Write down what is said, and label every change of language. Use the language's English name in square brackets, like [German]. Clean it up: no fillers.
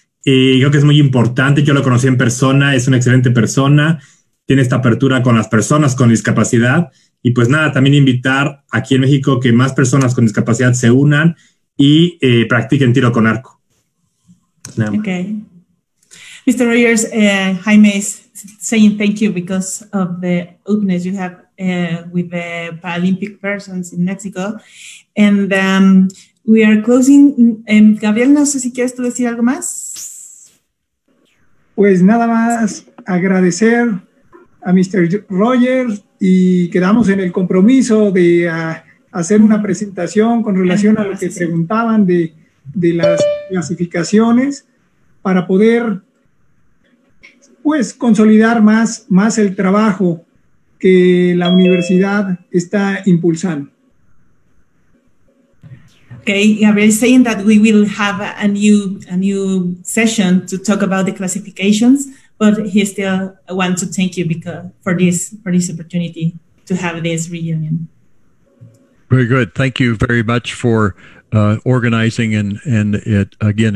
[Spanish] Creo que es muy importante. Yo lo conocí en persona, es una excelente persona. Tiene esta apertura con las personas con discapacidad. Y pues nada, también invitar aquí en México que más personas con discapacidad se unan y practiquen tiro con arco. [English] Ok. Mr. Rogers, Jaime is saying thank you because of the openness you have with the Paralympic persons in Mexico. And we are closing. [Spanish] Gabriel, no sé si quieres tú decir algo más. Pues nada más agradecer a Mr. Rogers. Y quedamos en el compromiso de hacer una presentación con relación a lo que preguntaban de las clasificaciones para poder, pues, consolidar más el trabajo que la universidad está impulsando. [English] Okay, Gabriel, saying that we will have a new session to talk about the classifications. But he still wants to thank you for this opportunity to have this reunion. Very good. Thank you very much for organizing and it again.